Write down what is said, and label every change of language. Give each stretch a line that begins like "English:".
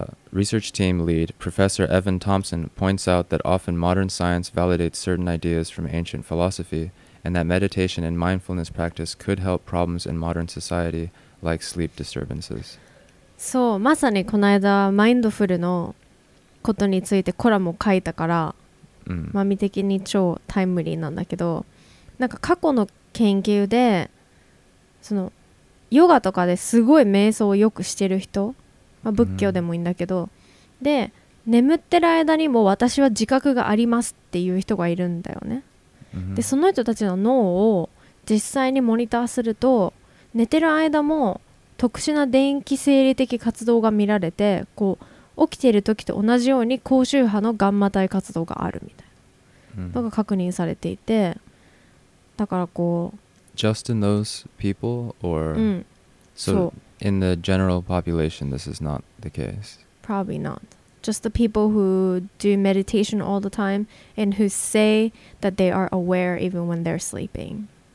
English: Research team lead Professor Evan Thompson points out that often modern science validates certain ideas from ancient philosophy, and that meditation and mindfulness practice could help problems in modern society like sleep disturbances.
Japanese: そう、まさにこの間マインドフルのことについてコラムを書いたから、マミ的に超タイムリーなんだけど、なんか過去の研究でそのヨガとかですごい瞑想をよくしてる人、まあ、仏教でもいいんだけど、で眠ってる間にも私は自覚がありますっていう人がいるんだよね。でその人たちの脳を実際にモニターすると、寝てる間も特殊な電気生理的活動が見られて、こう起きている時と同じように高周波のガンマ体活動があるみたいなのが確認されていて、だからこう
English: Just in those people or、 so in the general population this is not the case? Probably notJust the people who do meditation all the time and who say that they are aware even when they're sleeping.